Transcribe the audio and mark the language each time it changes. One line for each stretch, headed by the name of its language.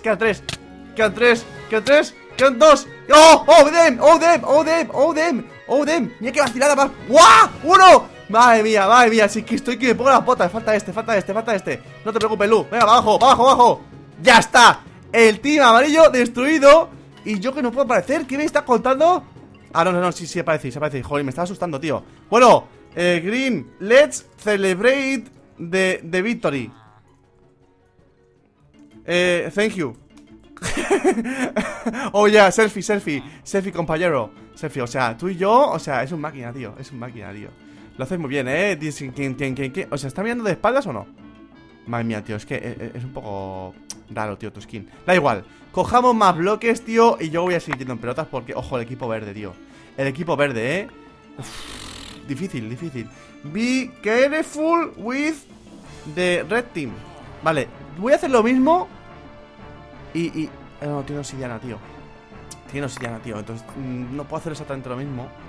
Spanish: Quedan dos. Oh, them. Mira qué vacilada más. ¡Wow! ¡Uno! Madre mía. Así que estoy que me pongo las botas. Falta este. No te preocupes, Lu. Venga, para abajo. Ya está. El team amarillo destruido. Y yo que no puedo aparecer. ¿Qué me estás contando? Ah, no, sí, aparece. Joder, me estaba asustando, tío.
English: Bueno, Green, let's celebrate the victory. Thank you. Oh, yeah,
Spanish: selfie, compañero. Selfie, o sea, tú y yo, o sea, es un máquina, tío. Lo haces muy bien, Dicen, ¿quién? O sea, ¿está mirando de espaldas o no? Madre mía, tío, es que es un poco raro, tío, tu skin. Da igual, cojamos más bloques, tío, y yo voy a seguir yendo en pelotas porque, ojo, el equipo verde, tío. El equipo verde, Uf, difícil.
English: Be careful with the red team.
Spanish: Vale, voy a hacer lo mismo. No, tiene obsidiana, tío. Entonces, no puedo hacer exactamente lo mismo.